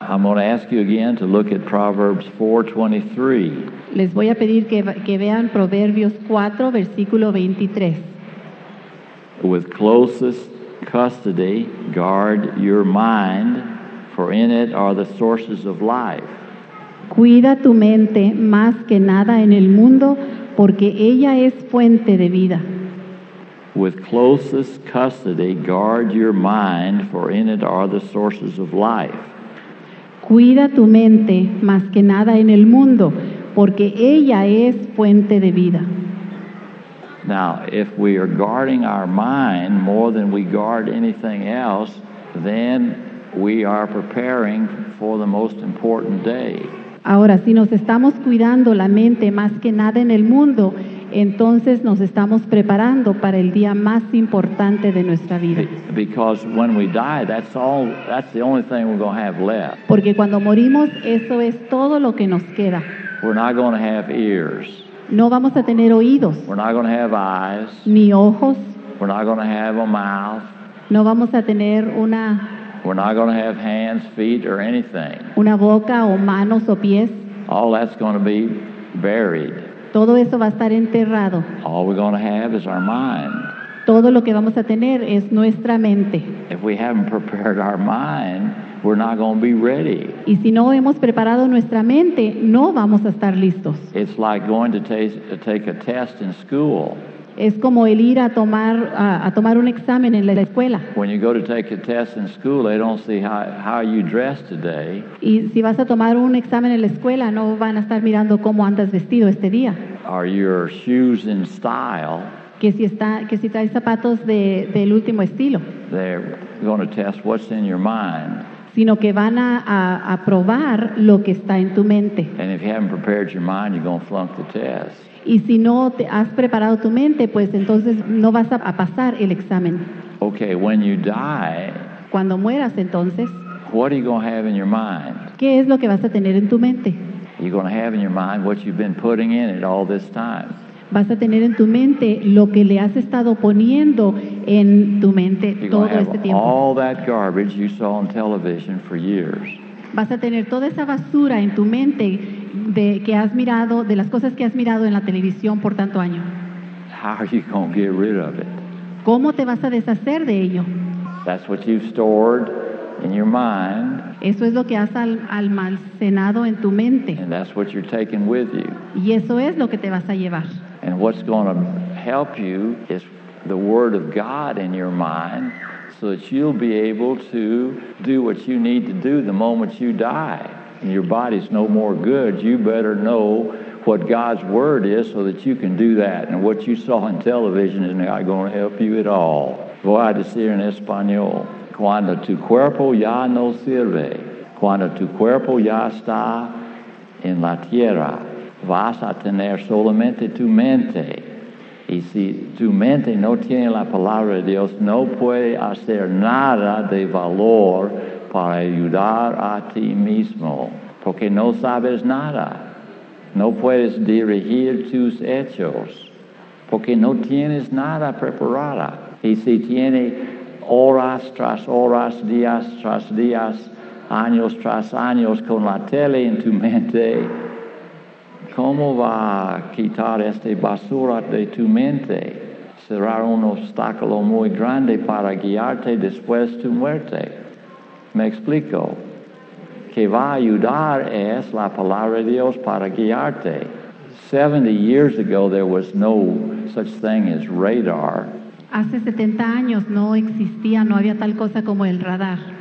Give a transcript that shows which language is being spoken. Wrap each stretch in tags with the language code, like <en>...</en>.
<en>I'm going to ask you again to look at Proverbs 4:23.</en> <es>Les voy a pedir que vean Proverbios 4, versículo 23.</es> <en>With closest custody, guard your mind, for in it are the sources of life.</en> <es>Cuida tu mente más que nada en el mundo, porque ella es fuente de vida.</es> <en>With closest custody, guard your mind, for in it are the sources of life.</en> <es>Cuida tu mente más que nada en el mundo, porque ella es fuente de vida.</es> <en>Now, if we are guarding our mind more than we guard anything else, then we are preparing for the most important day.</en> <es>Ahora, si nos estamos cuidando la mente más que nada en el mundo, entonces nos estamos preparando para el día más importante de nuestra vida.</es> <en>Because when we die, that's the only thing we're going to have left.</en> <es>Porque cuando morimos, eso es todo lo que nos queda.</es> <en>We're not going to have ears.</en> <es>No vamos a tener oídos.</es> <en>We're not going to have eyes.</en> <es>Ni ojos.</es> <en>We're not going to have a mouth.</en> <es>No vamos a tener una...</es> <en>We're not going to have hands, feet, or anything.</en> <es>Una boca o manos o pies.</es> <en>All that's going to be buried.</en> <es>Todo eso va a estar enterrado.</es> <en>All we're going to have is our mind.</en> <es>Todo lo que vamos a tener es nuestra mente.</es> <en>If we haven't prepared our mind, we're not going to be ready.</en> <es>Y si no hemos preparado nuestra mente, no vamos a estar listos.</es> <en>It's like going to take a test in school.</en> <es>Es como el ir a tomar un examen en la escuela.</es> <en>When you go to take a test in school, they don't see how you dress today.</en> <es>Y si vas a tomar un examen en la escuela, no van a estar mirando cómo andas vestido este día.</es> <en>Are your shoes in style?</en> <es>Que si traes zapatos del último estilo.</es> <en>They're going to test what's in your mind.</en> <es>Sino que van a probar lo que está en tu mente.</es> <en>And if you haven't prepared your mind, you're going to flunk the test.</en> <es>Y si no te has preparado tu mente, pues entonces no vas a pasar el examen.</es> <en>Okay, when you die,</en> <es>cuando mueras entonces,</es> <en>what are you going to have in your mind?</en> <es>¿Qué es lo que vas a tener en tu mente?</es> <en>You're going to have in your mind what you've been putting in it all this time.</en> <es>Vas a tener en tu mente lo que le has estado poniendo en tu mente todo este tiempo.</es> <en>All that garbage you saw on television for years.</en> <es>Vas a tener toda esa basura en tu mente que has mirado, de las cosas que has mirado en la televisión por tanto año.</es> <en>How are you going to get rid of it?</en> <es>¿Cómo te vas a deshacer de ello?</es> <en>That's what you've stored in your mind.</en> <es>Eso es lo que has almacenado en tu mente.</es> <en>And that's what you're taking with you.</en> <es>Y eso es lo que te vas a llevar.</es> <en>And what's going to help you is the word of God in your mind, so that you'll be able to do what you need to do the moment you die. And your body's no more good. You better know what God's word is so that you can do that. And what you saw on television is not going to help you at all.</en> <es>Voy a decir en español. Cuando tu cuerpo ya no sirve, cuando tu cuerpo ya está en la tierra, vas a tener solamente tu mente. Y si tu mente no tiene la palabra de Dios, no puede hacer nada de valor para ayudar a ti mismo, porque no sabes nada. No puedes dirigir tus hechos, porque no tienes nada preparada. Y si tiene horas, días, días, años tras años con la tele en tu mente, ¿cómo va a quitar esta basura de tu mente? Será un obstáculo muy grande para guiarte después de tu muerte. Me explico. Que va a ayudar es la palabra de Dios para guiarte.</es> <en>70 years ago, there was no such thing as radar.</en> <es>Hace 70 años no existía, no había tal cosa como el radar.</es>